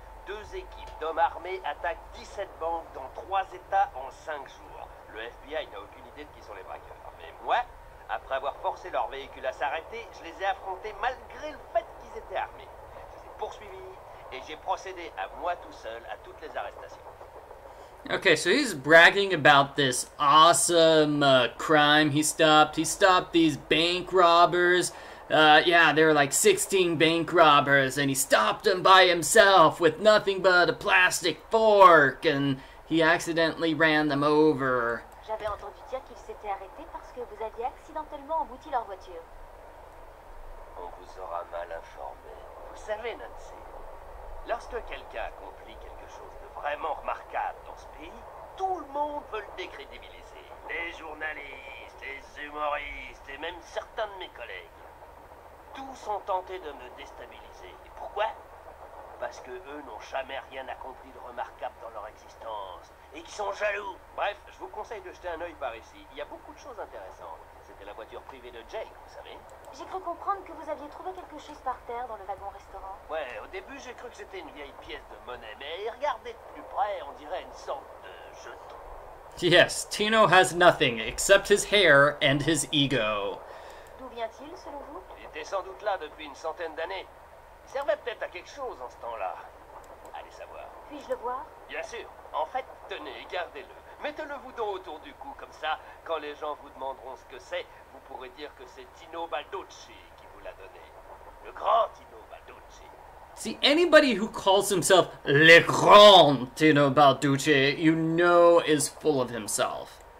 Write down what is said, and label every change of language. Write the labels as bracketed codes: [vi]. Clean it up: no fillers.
[fr] Deux équipes d'hommes armés attaquent 17 banques dans 3 états en 5 jours. Le FBI n'a aucune idée de qui sont les braqueurs. Mais moi, après avoir forcé leur véhicule à s'arrêter, je les ai affrontés malgré le fait qu'ils étaient armés. Je les ai poursuivis et j'ai procédé à moi tout seul à toutes les arrestations. [en] Okay, so he's bragging about this awesome crime he stopped. He stopped these bank robbers. There were like 16 bank robbers, and he stopped them by himself with nothing but a plastic fork, and he accidentally ran them over. [fr] J'avais entendu dire qu'il s'était arrêté parce que vous aviez accidentellement embouti leur voiture. On vous aura mal informé. Vous savez, Nancy, lorsque quelqu'un accomplit quelque chose de vraiment remarquable dans ce pays, tout le monde veut le décrédibiliser. Les journalistes, les humoristes, et même certains de mes collègues. Tous ont tenté de me déstabiliser. Et pourquoi? Parce que eux n'ont jamais rien accompli de remarquable dans leur existence. Et qu'ils sont jaloux. Bref, je vous conseille de jeter un œil par ici. Il y a beaucoup de choses intéressantes. C'était la voiture privée de Jake, vous savez. J'ai cru comprendre que vous aviez trouvé quelque chose par terre dans le wagon-restaurant. Ouais, au début, j'ai cru que c'était une vieille pièce de monnaie, mais regardez de plus près, on dirait une sorte de jeton. [en] Yes, Tino has nothing except his hair and his ego. [fr] D'où vient-il, selon vous? Il était sans doute là depuis une centaine d'années. Il servait peut-être à quelque chose en ce temps-là. Allez savoir. Puis-je le voir? Bien sûr. En fait, tenez, gardez-le. Mettez-le vous donc autour du cou, comme ça, quand les gens vous demanderont ce que c'est, vous pourrez dire que c'est Tino Balducci qui vous l'a donné. Le grand Tino Balducci. [en] See, anybody who calls himself Le Grand Tino Balducci, you know, is full of himself.